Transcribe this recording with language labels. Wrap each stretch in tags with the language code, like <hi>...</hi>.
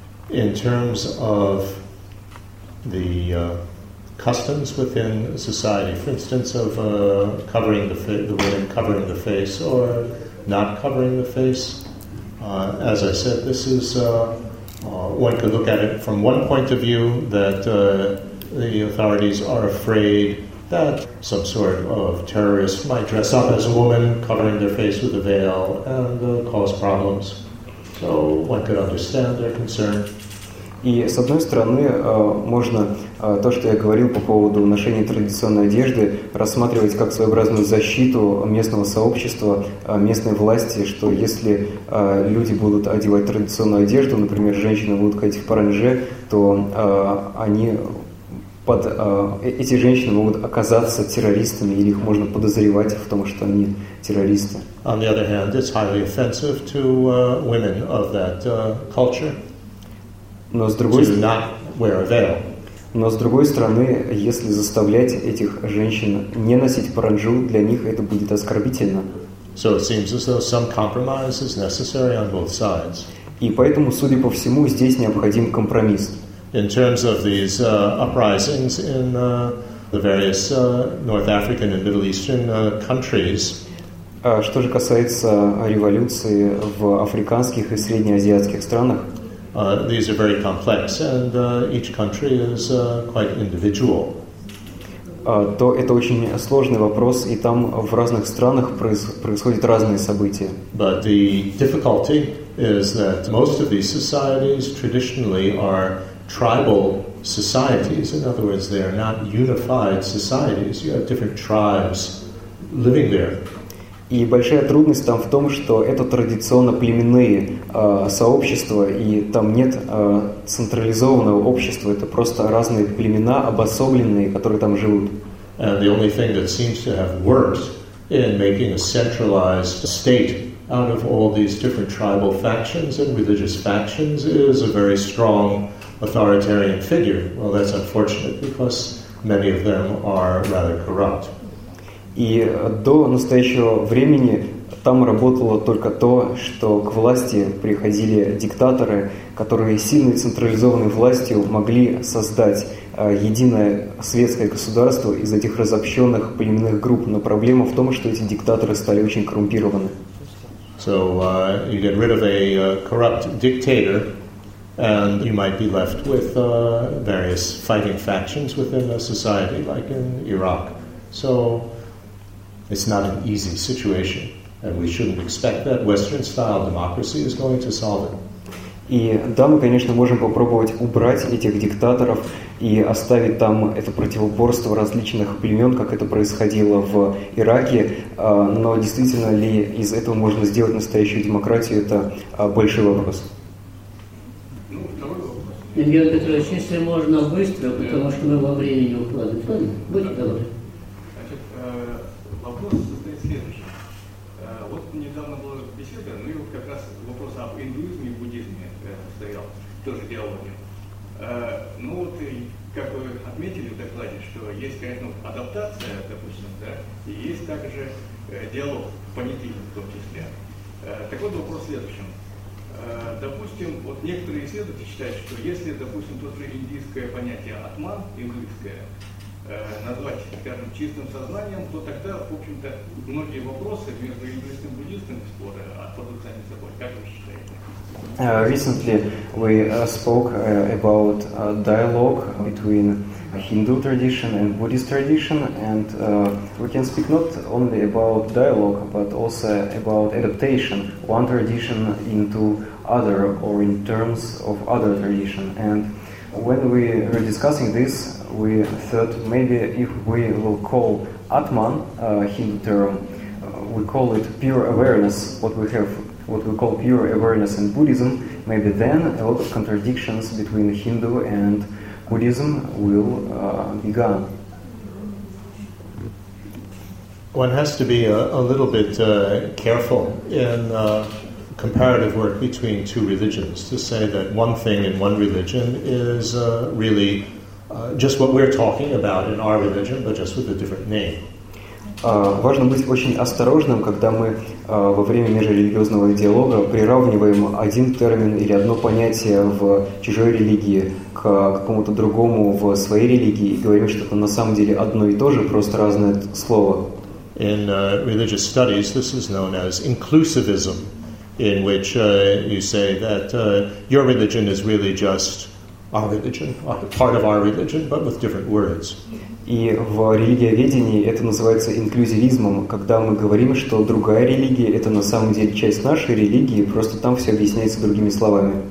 <en>In terms of the customs within society, for instance, of covering the women covering the face or not covering the face, as I said, this is one could look at it from one point of view that the authorities are afraid that some sort of terrorist might dress up as a woman, covering their face with a veil, and cause problems. So one could understand their concern.</en> <ru>И с одной стороны, можно то, что я говорил по поводу ношения традиционной одежды, рассматривать как своеобразную защиту местного сообщества, местной власти, что если люди будут одевать традиционную одежду, например, женщины будут ходить в паранже, то они под эти женщины могут оказаться террористами, или их можно подозревать в том, что они террористы.</ru> <en>On the other hand, it's highly offensive to women of that culture.</en> <ru>Но с другой стороны, если заставлять этих женщин не носить паранджу, для них это будет оскорбительно.</ru> <en>So it seems as though some compromise is necessary on both sides.</en> <ru>И поэтому, судя по всему, здесь необходим компромисс.</ru> <en>In terms of these uprisings in the various North African and Middle Eastern countries.</en> <ru>Что же касается революции в африканских и среднеазиатских странах?</ru> <en>These are very complex, and each country is quite individual.</en> <ru>То это очень сложный вопрос, и там в разных странах происходят разные события.</ru> <en>But the difficulty is that most of these societies traditionally are tribal societies. In other words, they are not unified societies. You have different tribes living there.</en> <ru>И большая трудность там в том, что это традиционно племенные сообщества, и там нет централизованного общества, это просто разные племена, обособленные, которые там живут.</ru> <en>And the only thing that seems to have worked in making a centralized state out of all these different tribal factions and religious factions is a very strong authoritarian figure. Well, that's unfortunate because many of them are rather corrupt.</en> <ru>И до настоящего времени там работало только то, что к власти приходили диктаторы, которые сильной централизованной властью могли создать единое светское государство из этих разобщенных племенных групп. Но проблема в том, что эти диктаторы стали очень коррумпированы.</ru> <en>So you get rid of a corrupt dictator, and you might be left with various fighting factions within a society, like in Iraq. So it's not an easy situation, and we shouldn't expect that Western-style democracy is going to solve it.</en> <ru>И да, мы, конечно, можем попробовать убрать этих диктаторов и оставить там это противоборство различных племен, как это происходило в Ираке, но действительно ли из этого можно сделать настоящую демократию, это большой вопрос. Илья Петрович, если можно быстро, потому что мы во времени не укладываем. Будьте добры. Значит, вопрос состоит в следующем. Вот недавно была беседа, ну и вот как раз вопрос об индуизме и буддизме стоял, тоже диалоги. Ну вот, как вы отметили в докладе, что есть, конечно, адаптация, допустим, да, и есть также диалог понятийный в том числе. Так вот, вопрос в следующем. Допустим, вот некоторые исследователи считают, что если, допустим, то же индийское понятие атман, индуистское, назвать, скажем, чистым сознанием, то тогда, в общем-то, многие вопросы между индуистским и буддистским споры отпадут сами собой. Как вы считаете?</ru> <en>Recently, we spoke about a dialogue between Hindu tradition and Buddhist tradition, and we can speak not only about dialogue, but also about adaptation, one tradition into other, or in terms of other tradition. And when we were discussing this, we thought maybe if we will call Atman a Hindu term, we call it pure awareness, what we call pure awareness in Buddhism, maybe then a lot of contradictions between Hindu and Buddhism will be gone. One has to be a little bit careful in comparative work between two religions to say that one thing in one religion is really just what we're talking about in our religion, but just with a different name.</en> <ru>Важно быть очень осторожным, когда мы во время межрелигиозного диалога приравниваем один термин или одно понятие в чужой религии к какому-то другому в своей религии и говорим, что это на самом деле одно и то же, просто разное слово.</ru> <en>In religious studies this is known as inclusivism, in which you say that your religion is really just our religion, part of our religion, but with different words.</en> <ru>И в религиоведении это называется инклюзивизмом, когда мы говорим, что другая религия – это на самом деле часть нашей религии, просто там все объясняется другими словами.</ru>